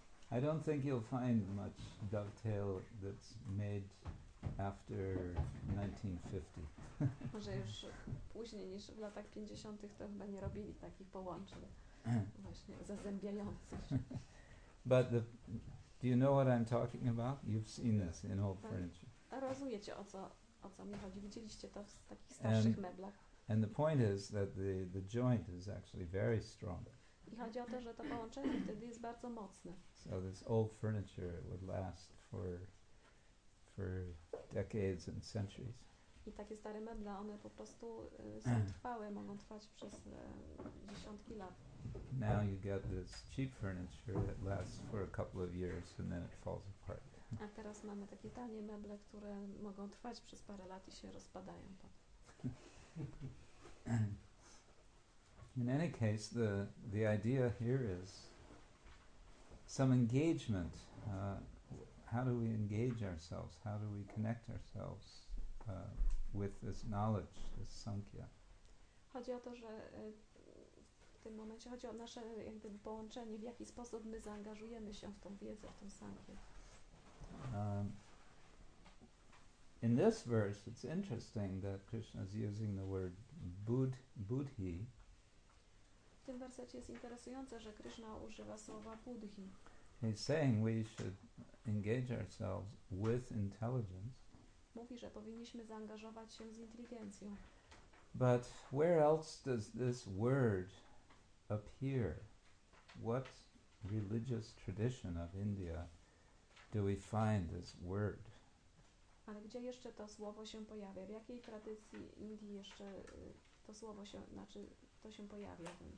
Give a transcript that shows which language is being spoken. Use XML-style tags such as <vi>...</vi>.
<en>I don't think you'll find much dovetail that's made after 1950.</en> <pl>Może już później niż w latach 50. to chyba nie robili takich połączeń właśnie zazębiających.</pl> <en>But the, do you know what I'm talking about? You've seen this in old furniture.</en> <pl>A rozumiecie o co mi chodzi? Widzieliście to w takich starszych meblach?</pl> <en>And the point is that the joint is actually very strong.</en> <pl>I chodzi o to, że to połączenie wtedy jest bardzo mocne.</pl> <en>So this old furniture would last for decades and centuries.</en> <pl>I takie stare meble, one po prostu są trwałe, mogą trwać przez dziesiątki lat.</pl> <en>Now you get this cheap furniture that lasts for a couple of years and then it falls apart.</en> <pl>A teraz mamy takie tanie meble, które mogą trwać przez parę lat i się rozpadają potem.</pl> <en>In any case, the idea here is some engagement. How do we engage ourselves? How do we connect ourselves with this knowledge, this sankhya?</en> <pl>Chodzi o to, że w tym momencie chodzi o nasze jakby połączenie, w jaki sposób my zaangażujemy się w tą wiedzę, w tą sankhya.</pl> <en>In this verse, it's interesting that Krishna is using the word buddhi.</en> <pl>W tym wersecie jest interesujące, że Krishna używa słowa buddhi.</pl> <en>He's saying we should engage ourselves with intelligence.</en> <pl>Mówi, że powinniśmy zaangażować się z inteligencją.</pl> <en>But where else does this word appear? What religious tradition of India do we find this word?</en> <pl>Ale gdzie jeszcze to słowo się pojawia? W jakiej tradycji Indii jeszcze to słowo się, znaczy to się pojawia?</pl>